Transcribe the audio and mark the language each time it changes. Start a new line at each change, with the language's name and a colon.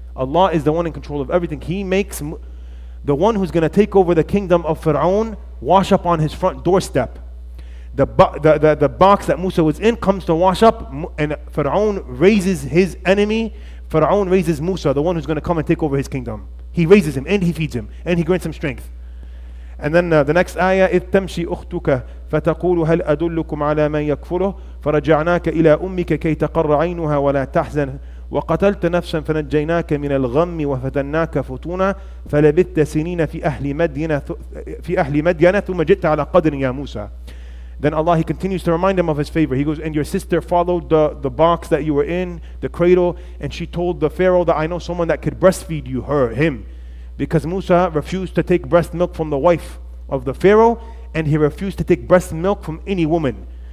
English: Allah is the one in control of everything. He makes the one who's going to take over the kingdom of Fir'aun wash up on his front doorstep. The box that Musa was in comes to wash up, and Fir'aun raises his enemy. Fir'aun raises Musa, the one who's going to come and take over his kingdom. He raises him, and he feeds him, and he grants him strength. And then the next ayah,
Arabic: إِذْ تَمْشِي أُخْتُكَ فَتَقُولُ هَلْ أَدُلُّكُمْ عَلَى مَنْ يَكْفُرُهُ فرجعناك إلى أمك كي تقر عينها ولا تحزن، وقتلت نفسا فنجيناك من الغم وفتناك فتونا، فلبثت سنين في أهل مدينة ثم جئت على قدر يا موسى.
English: Then Allah, he continues to remind him of his favor. He goes, and your sister followed the box that you were in, the cradle, and she told the Pharaoh that I know someone that could breastfeed you, her, him. Because Musa refused to take breast milk from the wife of the Pharaoh, and he refused to take breast milk from any woman.